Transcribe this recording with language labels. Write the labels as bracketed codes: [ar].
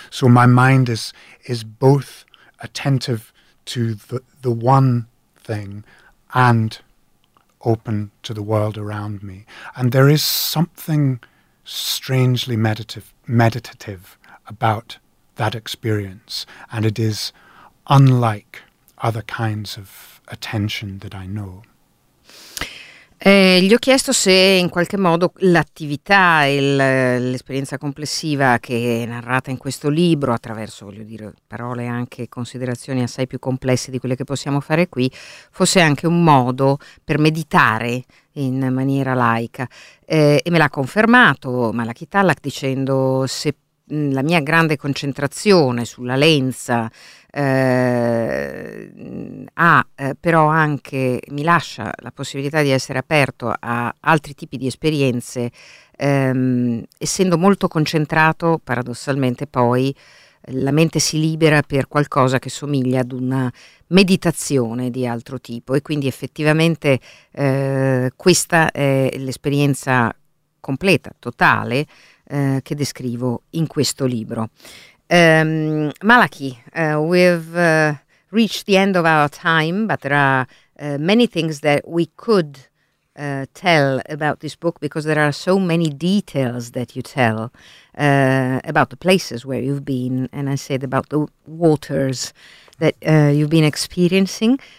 [en] So my mind is both attentive to the one thing and open to the world around me. And there is something strangely meditative about that experience, and it is unlike other kinds of attention that I know. [it] Gli ho chiesto se in qualche modo l'attività, l'esperienza complessiva che è narrata in questo libro, attraverso, voglio dire, parole e anche considerazioni assai più complesse di quelle che possiamo fare qui, fosse anche un modo per meditare in maniera laica. E me l'ha confermato Malachi Tallack dicendo: se la mia grande concentrazione sulla lenza però anche mi lascia la possibilità di essere aperto a altri tipi di esperienze, essendo molto concentrato, paradossalmente poi la mente si libera per qualcosa che somiglia ad una meditazione di altro tipo, e quindi effettivamente questa è l'esperienza completa, totale, che descrivo in questo libro. [en] Malachi, we've reached the end of our time, but there are many things that we could tell about this book, because there are so many details that you tell about the places where you've been, and I said about the waters that you've been experiencing.